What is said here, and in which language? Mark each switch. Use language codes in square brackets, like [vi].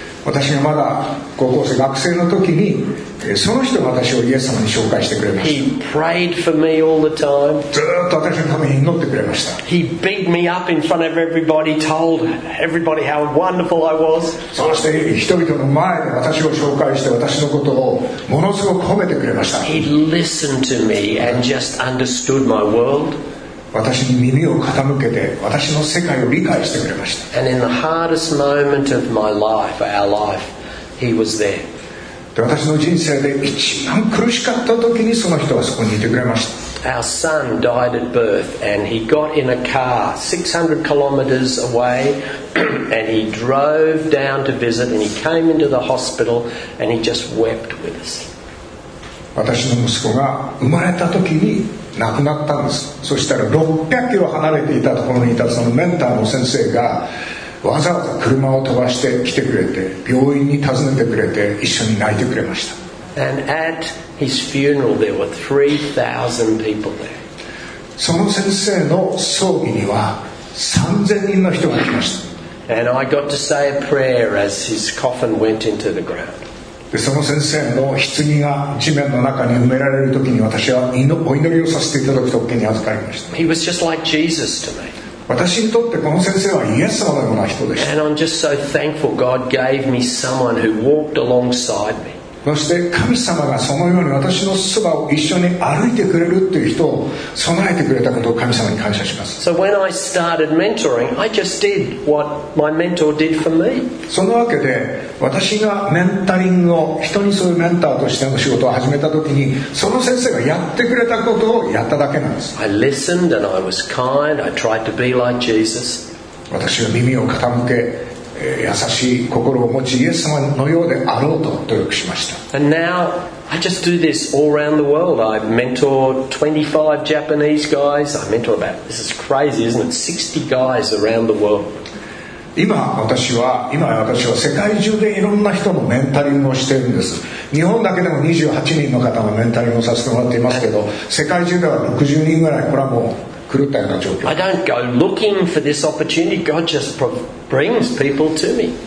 [ja] 私がまだ高校生、学生の時にその人が私をイエス様に紹介してくれました。 [en] He prayed for me all the time. [ja] ずっと私のために祈ってくれました。 [en] He beat me up in front of everybody, told everybody how wonderful I was. [ja] そして人々の前で私を紹介して私のことをものすごく褒めてくれました。 [en] He listened to me and just understood my world. [ja] 私に耳を傾けて私の世界を理解してくれました。 [en] And in the hardest moment of my life, our life, he was there. [ja] 私の人生で一番苦しかった時にその人はそこにいてくれました。 [en] Our son died at birth and he got in a car 600 kilometers away and he drove down to visit and he came into the hospital and he just wept with us. [ja] 私の息子が生まれた時に亡くなったんです。そしたら600キロ離れていたところにいたそのメンターの先生がわざわざ車を飛ばして来てくれて病院に訪ねてくれて一緒に泣いてくれました。 [en] And at his funeral, there were 3,000 people there. [ja] その先生の葬儀には3000人の人が来ました。 [en] And I got to say a prayer as his coffin went into the ground. [ja] でその先生の棺が地面の中に埋められる時に私はお祈りをさせていただく時に預かりました。 [en] He was just like Jesus to me. [ja] 私にとってこの先生はイエス様のような人でした。 [en] And I'm just so thankful God gave me someone who walked alongside me. [ja] そして神様がそのように私のそばを一緒に歩いてくれるっていう人を備えてくれたことを神様に感謝します。 [en] So when I started mentoring, I just did what my mentor did for me. [ja] そのわけで私がメンタリングを人にそういうメンターとしての仕事を始めた時にその先生がやってくれたことをやっただけなんです。 [en] I listened and I was kind. I tried to be like Jesus. [ja] 私は耳を傾け優しい心を持ちイエス様のようであろうと努力しました。 [en] And now I just do this all around the world. I mentor 25 Japanese guys. I mentor about, this is crazy, isn't it? 60 guys around the world. [ja] 今私は世界中でいろんな人のメンタリングをしているんです。日本だけでも28人の方のメンタリングをさせてもらっていますけど世界中では60人ぐらい、これはもう狂ったような状況。 [en] I don't go looking for this opportunity. God just brings people to me.